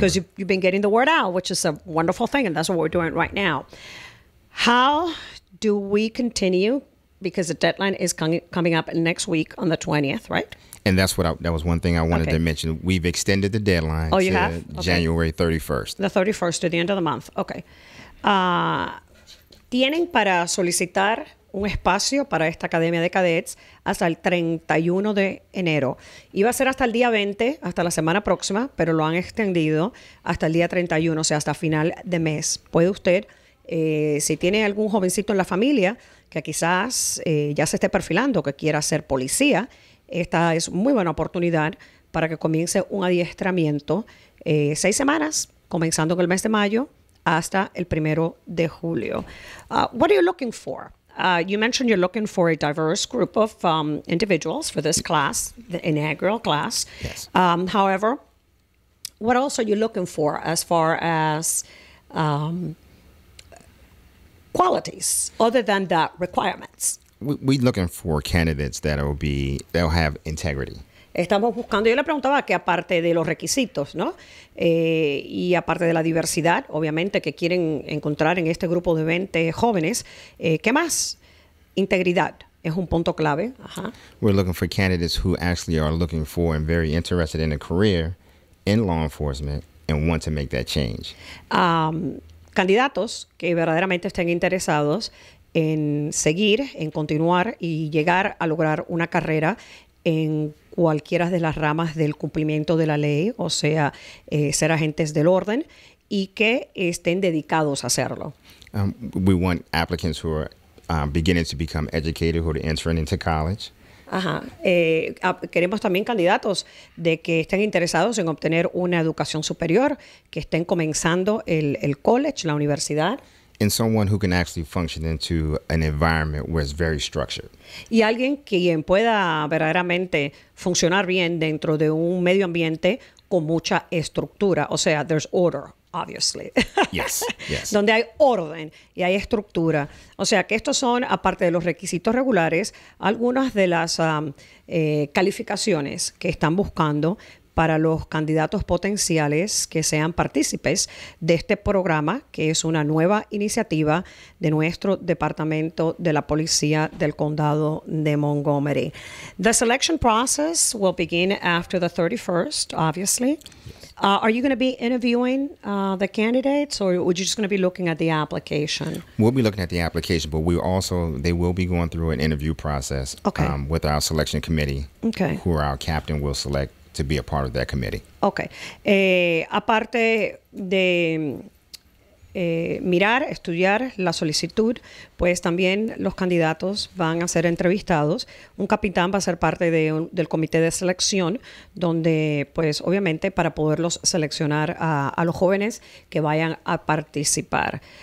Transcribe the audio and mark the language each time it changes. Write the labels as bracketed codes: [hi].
[en] Because you've been getting the word out, which is a wonderful thing, and that's what we're doing right now. How do we continue? Because the deadline is coming up next week on the 20th, right? And that's what that was one thing I wanted to mention. We've extended the deadline January 31st. The 31st, to the end of the month. Okay. [es] ¿Tienen para solicitar un espacio para esta Academia de Cadets hasta el 31 de enero? Iba a ser hasta el día 20, hasta la semana próxima, pero lo han extendido hasta el día 31, o sea, hasta final de mes. ¿Puede usted, si tiene algún jovencito en la familia que quizás ya se esté perfilando, que quiera ser policía, esta es muy buena oportunidad para que comience un adiestramiento 6 semanas, comenzando en el mes de mayo hasta el 1 de julio. [en] What are you looking for? You mentioned you're looking for a diverse group of individuals for this class, the inaugural class. Yes. However, what else are you looking for as far as qualities other than the requirements? We're looking for candidates that'll have integrity. [es] Estamos buscando, yo le preguntaba que aparte de los requisitos, ¿no? Y aparte de la diversidad, obviamente, que quieren encontrar en este grupo de 20 jóvenes, ¿qué más? Integridad es un punto clave. Ajá. [en] We're looking for candidates who actually are looking for and very interested in a career in law enforcement and want to make that change. [es] candidatos que verdaderamente estén interesados en seguir, en continuar y llegar a lograr una carrera en cualquiera de las ramas del cumplimiento de la ley, o sea, ser agentes del orden y que estén dedicados a hacerlo. [en] We want applicants who are beginning to become educated, who are entering into college. Ajá. [es] Queremos también candidatos de que estén interesados en obtener una educación superior, que estén comenzando el college, la universidad. [en] And someone who can actually function into an environment where it's very structured. [es] Y alguien quien pueda verdaderamente funcionar bien dentro de un medio ambiente con mucha estructura. O sea, [en] there's order, obviously. Yes, yes. [es] Donde hay orden y hay estructura. O sea, que estos son, aparte de los requisitos regulares, algunas de las calificaciones que están buscando para los candidatos potenciales que sean partícipes de este programa, que es una nueva iniciativa de nuestro Departamento de la Policía del Condado de Montgomery. [en] The selection process will begin after the 31st, obviously. Yes. Are you going to be interviewing the candidates, or are you just going to be looking at the application? We'll be looking at the application, but they will be going through an interview process. Okay. With our selection committee. Okay. Who our captain will select to be a part of that committee. Okay. [es] Aparte de mirar, estudiar la solicitud, pues también los candidatos van a ser entrevistados. Un capitán va a ser parte del comité de selección, donde, pues, obviamente, para poderlos seleccionar a los jóvenes que vayan a participar.